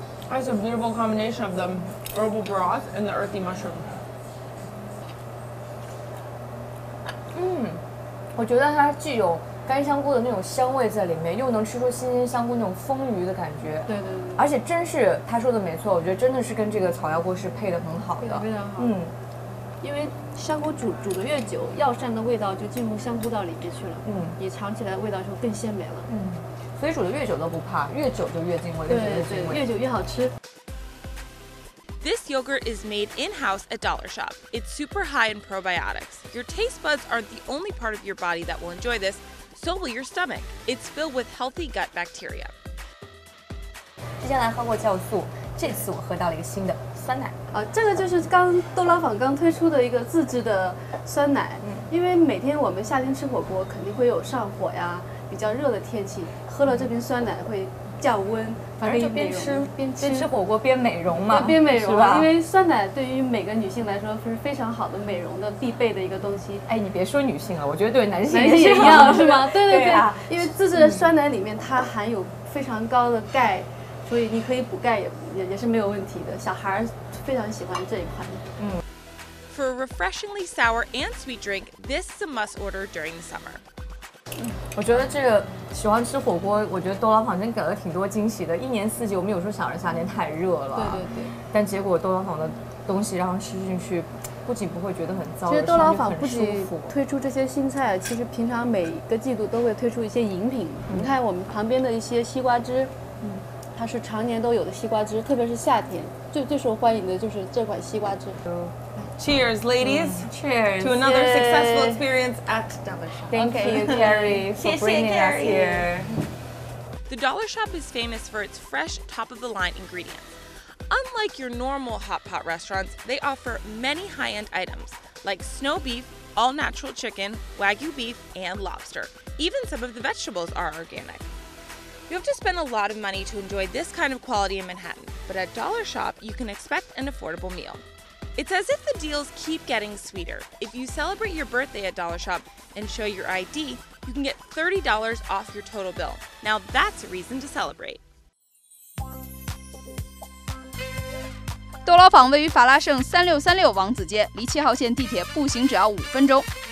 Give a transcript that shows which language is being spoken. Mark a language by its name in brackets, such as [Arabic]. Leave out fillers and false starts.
[English] That's a beautiful combination of the herbal broth and the earthy mushroom. [Chinese] 我觉得它具有干香菇的那种香味在里面，又能吃出新鲜香菇那种丰腴的感觉。对对对。而且真是他说的没错，我觉得真的是跟这个草药锅是配得很好的。非常好。因为香菇煮的越久，药膳的味道就进入香菇到里面去了。你尝起来的味道就更鲜美了。所以煮的越久都不怕，越久就越进味，对对对，越久越好吃。 [English] This yogurt is made in-house at Dollar Shop. It's super high in probiotics. Your taste buds aren't the only part of your body that will enjoy this, so will your stomach. It's filled with healthy gut bacteria. [Chinese] 之前来喝过酵素，这次我喝到了一个新的酸奶。这个就是刚豆老坊刚推出的一个自制的酸奶。因为每天我们夏天吃火锅肯定会有上火呀，比较热的天气喝了这瓶酸奶会降温，反正就边吃火锅边美容嘛，边美容，因为酸奶对于每个女性来说是非常好的美容的必备的一个东西。哎，你别说女性了，我觉得对男性也一样，是吗？对对对，对啊，因为自制的酸奶里面它含有非常高的钙，所以你可以补钙也是没有问题的，小孩非常喜欢这一款。 [English] For a refreshingly sour and sweet drink, this is a must order during the summer. [Chinese] 我觉得这个喜欢吃火锅，我觉得多劳坊真给了挺多惊喜的。一年四季，我们有时候想着夏天太热了，对对对，但结果多劳坊的东西让吃进去，不仅不会觉得很糟，其实多劳坊不仅推出这些新菜，其实平常每个季度都会推出一些饮品。你看我们旁边的一些西瓜汁，它是常年都有的西瓜汁，特别是夏天最受欢迎的就是这款西瓜汁。 [English] Cheers, ladies. Cheers. To another successful experience at Dollar Shop. Thank you, Carrie, for bringing us here. The Dollar Shop is famous for its fresh, top-of-the-line ingredients. Unlike your normal hot pot restaurants, they offer many high-end items, like snow beef, all-natural chicken, wagyu beef, and lobster. Even some of the vegetables are organic. You have to spend a lot of money to enjoy this kind of quality in Manhattan, but at Dollar Shop, you can expect an affordable meal. It's as if the deals keep getting sweeter. If you celebrate your birthday at Dollar Shop and show your ID, you can get $30 off your total bill. Now that's a reason to celebrate. [Chinese] 多劳坊位于法拉盛3636王子街，离7号线地铁步行只要5分钟。